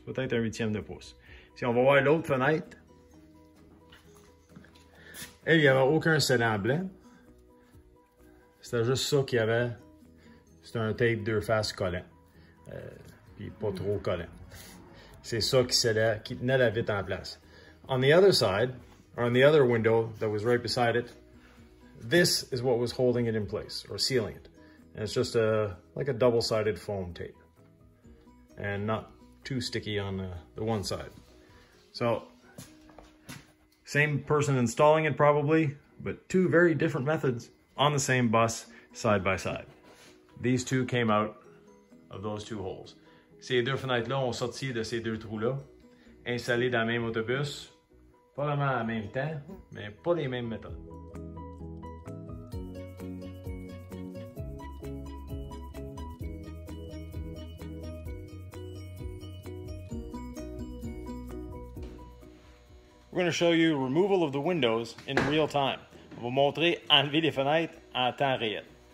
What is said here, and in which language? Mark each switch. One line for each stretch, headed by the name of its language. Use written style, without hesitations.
French: Peut-être un huitième de pouce. Si on va voir l'autre fenêtre, elle, il n'y avait aucun scellant blanc. C'était juste ça qu'il y avait. C'était un tape deux faces collant. Puis pas trop collant. C'est ça qui tenait la vitre en place.
English: On the other side, or on the other window that was right beside it, this is what was holding it in place, or sealing it. And it's just a like a double-sided foam tape. And not too sticky on the one side. So, same person installing it probably, but two very different methods on the same bus, side by side. These two came out of those two holes.
French: Ces deux fenêtres-là ont sorti de ces deux trous-là, installés dans le même autobus, pas vraiment en même temps, mais pas les mêmes méthodes.
English: We're going to show you removal of the windows in real time.
French: On va montrer enlever les fenêtres en temps réel.